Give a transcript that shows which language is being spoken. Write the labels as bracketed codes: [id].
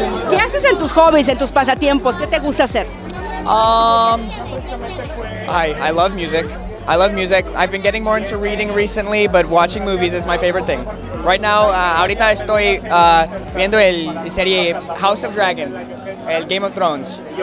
[es] ¿Qué haces en tus hobbies, en tus pasatiempos? ¿Qué te gusta hacer? [en] I love music. I love music. I've been getting more into reading recently, but watching movies is my favorite thing. Right now, [es] ahorita estoy viendo el serie House of Dragon, el Game of Thrones.